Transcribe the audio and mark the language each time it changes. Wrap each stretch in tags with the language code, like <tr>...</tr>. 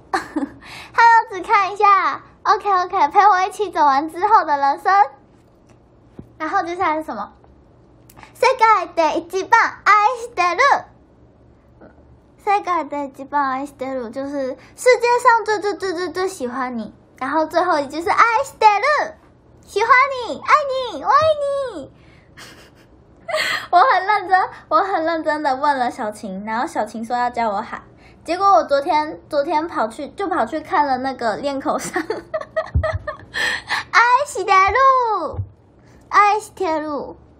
<zh>Hello， 只看一下。 OK OK， 陪我一起走完之后的人生。然后接下来是什么？</zh> <ja>世界で一番愛してる。世界で一番愛してる，</ja> <zh>就是世界上最最最最最喜欢你。然后最后一句是</zh> <ja>愛してる。</ja> <zh>喜欢你，爱你，我爱你。我很认真，我很认真的问了小晴，然后小晴说要教我喊，结果我昨天跑去看了那个练口上，爱是铁路，爱是铁路。</zh>